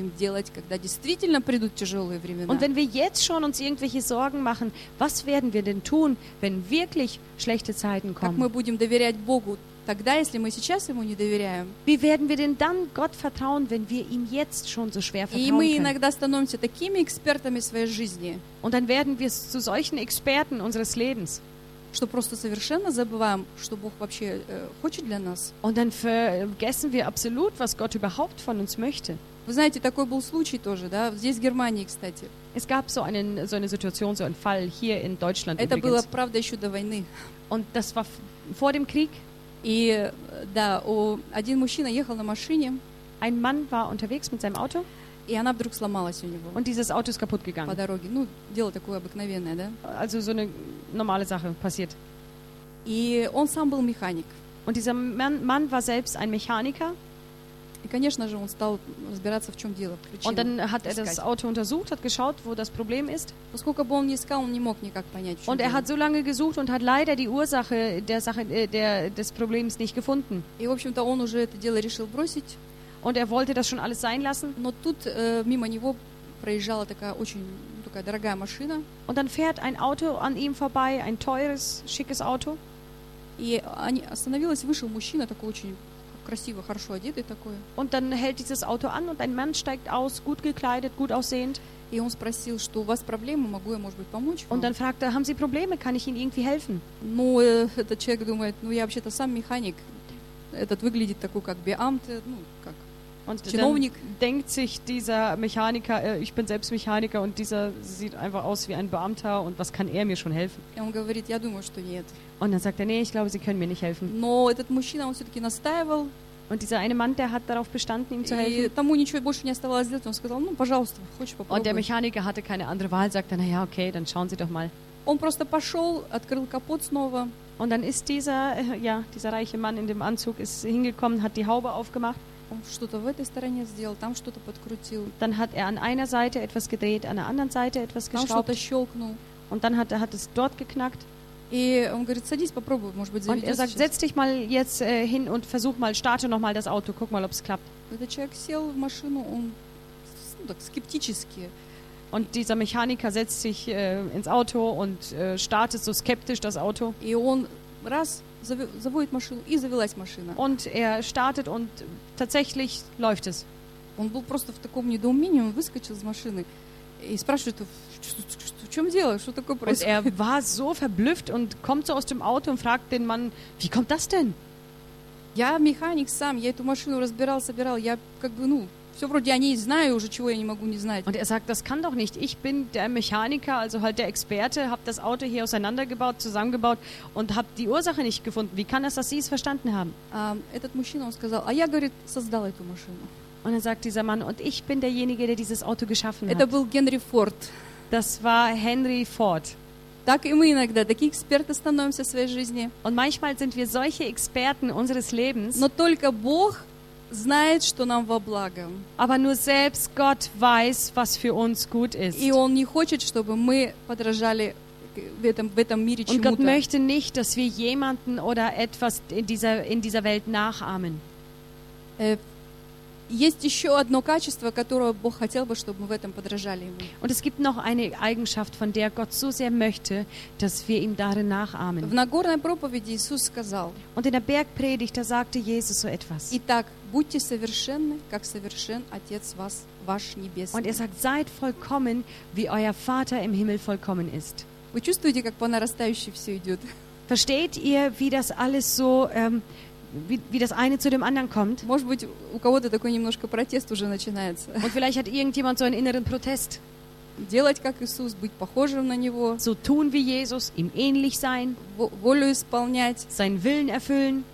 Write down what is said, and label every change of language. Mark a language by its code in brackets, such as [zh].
[de] Und wenn wir jetzt schon uns irgendwelche Sorgen machen, was werden wir denn tun, wenn wirklich schlechte Zeiten kommen? Wie werden wir denn dann Gott vertrauen, wenn wir ihm jetzt schon so schwer vertrauen können? Und dann werden wir zu solchen Experten unseres Lebens. [ru] Что просто совершенно забываем, что Бог вообще хочет для нас. [de] Und dann vergessen wir absolut, was Gott überhaupt von uns möchte. [ru] Вы знаете, такой был случай тоже, да, здесь в Германии, кстати. [de] Es gab so eine Situation, so einen Fall hier in Deutschland. [ru] Это было, правда, еще до войны. [de] Und das war vor dem Krieg. [ru] И да, один мужчина ехал на машине. [de] Ein Mann war unterwegs mit seinem Auto. [ru] И она вдруг сломалась у него. [de] Und dieses Auto ist kaputt gegangen. [ru] По дороге. Ну, дело такое обыкновенное, да? [de] Also so eine normale Sache passiert. [ru] И он сам был механик. [de] Und dieser Mann war selbst ein Mechaniker. [ru] И, конечно же, он стал разбираться, в чем дело. [de] Und dann hat er das Auto untersucht, hat geschaut, wo das Problem ist. [ru] Поскольку бы он ни искал, он не мог никак понять, в чем [de] Und [ru] дело. [de] Er hat so lange gesucht und hat leider die Ursache der Sache, des Problems nicht gefunden. [ru] И, в общем-то, он уже это дело решил бросить. [de] Und er wollte das schon alles sein lassen. [ru] Но тут мимо него проезжала такая очень такая дорогая машина. [de] Und dann fährt ein Auto an ihm vorbei, ein teures, schickes Auto. [ru] И остановилась, вышел мужчина такой очень красиво, хорошо одетый такой. [de] Und dann hält dieses Auto an und ein Mann steigt aus, gut gekleidet, gut aussehend. [ru] И он спросил, что у вас проблемы, могу я, может быть, помочь вам? [de] Und dann fragt er, haben Sie Probleme, kann ich Ihnen irgendwie helfen? [ru] Ну, этот человек думает, ну я вообще-то сам механик. этот выглядит такой как Beamte, ну, как [de] und [ru] чиновник. [de] Dann denkt sich dieser Mechaniker, ich bin selbst Mechaniker und dieser sieht einfach aus wie ein Beamter und was kann er mir schon helfen? [ru] И он говорит, я думаю, что нет. [de] Und dann sagt er, nee, ich glaube, sie können mir nicht helfen. [ru] Но этот мужчина, он все-таки настаивал. [de] Und dieser eine Mann, der hat darauf bestanden, ihm zu helfen. [ru] И тому ничего больше не оставалось делать. Он сказал, ну, пожалуйста, хочешь попробуй. [de] Und der Mechaniker hatte keine andere Wahl, sagte, na ja, okay, dann schauen Sie doch mal. [ru] Он просто пошел, открыл капот снова. [de] Und dann ist dieser, ja, dieser reiche Mann in dem Anzug ist hingekommen, hat die Haube aufgemacht. [ru] Он что-то в этой стороне сделал, там что-то подкрутил. [de] Dann hat an einer Seite etwas gedreht, an der anderen Seite etwas geschraubt. [ru] Там что-то щелкнул. [de] Und dann hat es dort geknackt. [ru] И он говорит, садись, попробуй, может быть, заведёшь. [de] Und er sagt, setz dich mal jetzt hin und versuch mal, starte noch mal das Auto, guck mal, ob es klappt. [ru] Этот человек сел в машину, он так скептически. [de] Und dieser Mechaniker setzt sich ins Auto und startet so skeptisch das Auto. [ru] И он раз заводит машину и завелась машина. [de] Und er startet und tatsächlich läuft es. [ru] Он был просто в таком недоумении, он выскочил из машины и спрашивает, в чем дело, что такое происходит? [de] Und er war so verblüfft und kommt so aus dem Auto und fragt den Mann, wie kommt das denn? [ru] Я механик сам, я эту машину разбирал, собирал, я как бы, ну, все вроде о ней знаю уже, чего я не могу не знать. [de] Und er sagt, das kann doch nicht. Ich bin der Mechaniker, also halt der Experte, hab das Auto hier auseinandergebaut, zusammengebaut und hab die Ursache nicht gefunden. Wie kann das, dass Sie es verstanden haben? [ru] Этот мужчина, он сказал, а я, говорит, создал эту машину. [de] Und dann sagt dieser Mann, und ich bin derjenige, der dieses Auto geschaffen [ru] hat. Это был Генри Форд. [de] Das war Henry Ford. [ru] Так и мы иногда такие эксперты становимся в своей жизни. [de] Und manchmal sind wir solche Experten unseres Lebens. [ru] Но только Бог знает, что нам во благо. [de] Aber nur selbst Gott weiß, was für uns gut ist. [ru] И он не хочет, чтобы мы подражали в этом мире чему-то. [de] Und Gott möchte nicht, dass wir jemanden oder etwas in dieser Welt nachahmen. [ru] Есть еще одно качество, которое Бог хотел бы, чтобы мы в этом подражали ему. [de] Und es gibt noch eine Eigenschaft, von der Gott so sehr möchte, dass wir ihm darin nachahmen. [ru] В Нагорной проповеди Иисус сказал. [de] Und in der Bergpredigt, da sagte Jesus so etwas. [ru] Итак, будьте совершенны, как совершен Отец ваш Небесный. [de] Und er sagt, seid vollkommen, wie euer Vater im Himmel vollkommen ist. [ru] Вы чувствуете, как по нарастающей все идет? [de] Versteht ihr, wie das alles so wie das eine zu dem anderen kommt? [ru] Может быть, у кого-то такой немножко протест уже начинается. [de] Und vielleicht hat irgendjemand so einen inneren Protest. [ru] Делать как Иисус, быть похожим на него. [de] So tun wie Jesus, ihm ähnlich sein. [ru] Волю исполнять. [de] Seinen Willen erfüllen.